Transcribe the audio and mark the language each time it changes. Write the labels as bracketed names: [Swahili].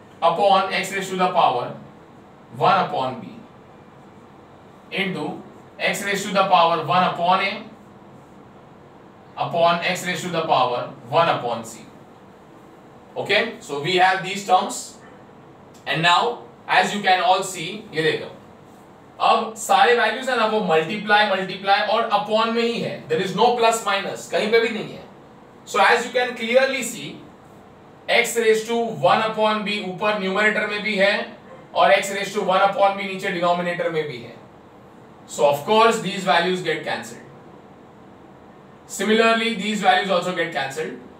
[English] Upon x raise to the power 1 upon b into x raise to the power 1 upon a upon x raised to the power 1 upon c. Okay, so we have these terms. And now, as you can all see, [Hindi] ये देखो, अब सारे values हैं ना वो multiply, multiply और upon में ही है. [English] There is no plus minus, [Hindi] कहीं पे भी नहीं है. [English] So as you can clearly see, x raised to 1 upon b [Hindi] ऊपर numerator में भी है और [English] x raised to 1 upon b [Hindi] नीचे denominator में भी है. [English] So of course, these values get cancelled. Similarly, these values also get cancelled.